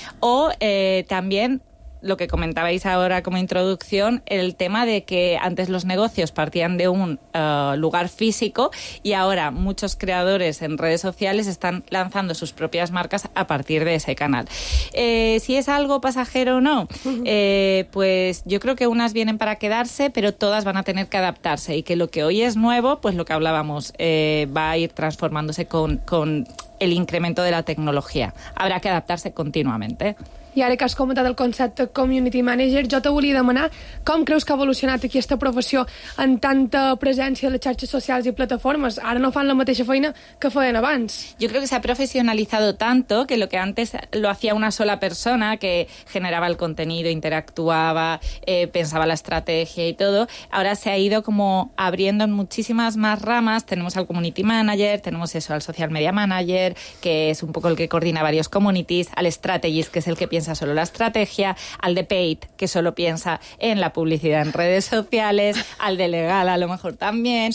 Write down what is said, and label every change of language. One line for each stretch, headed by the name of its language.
Spanish: O también lo que comentabais ahora como introducción, el tema de que antes los negocios partían de un lugar físico y ahora muchos creadores en redes sociales están lanzando sus propias marcas a partir de ese canal. Si es algo pasajero o no, pues yo creo que unas vienen para quedarse, pero todas van a tener que adaptarse y que lo que hoy es nuevo, pues lo que hablábamos, va a ir transformándose con el incremento de la tecnología. Habrá que adaptarse continuamente.
Catalan: I ara que has comentat el concepte community manager, jo te volia demanar com creus que ha evolucionat aquesta professió en tanta presència de les xarxes socials i plataformes. Ara no fan la mateixa feina que feien abans.
Spanish: Yo creo que se ha profesionalizado tanto que lo que antes lo hacía una sola persona que generaba el contenido, interactuaba, pensaba la estrategia y todo, ahora se ha ido como abriendo en muchísimas más ramas. Tenemos al community manager, tenemos eso, al social media manager, que es un poco el que coordina varios communities, al strategist, que es el que piensa solo la estrategia, al de paid, que solo piensa en la publicidad en redes sociales, al de legal a lo mejor también.